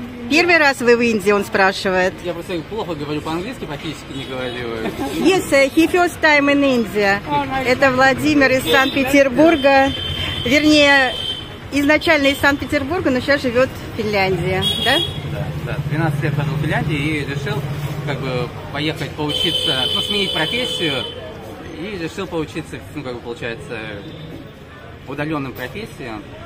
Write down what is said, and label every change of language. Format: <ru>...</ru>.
<ru>Первый раз вы в Индии, он спрашивает. Я просто плохо говорю по-английски, практически не говорю.</ru> <en>Yes, he first time in India.</en> <ru>Это Владимир из Санкт-Петербурга. Вернее, изначально из Санкт-Петербурга, но сейчас живет в Финляндии, да? Да, да. 13 лет прожил в Финляндии и решил как бы поехать поучиться, ну, сменить профессию. И решил поучиться, ну, как бы получается, удаленным профессиям.</ru>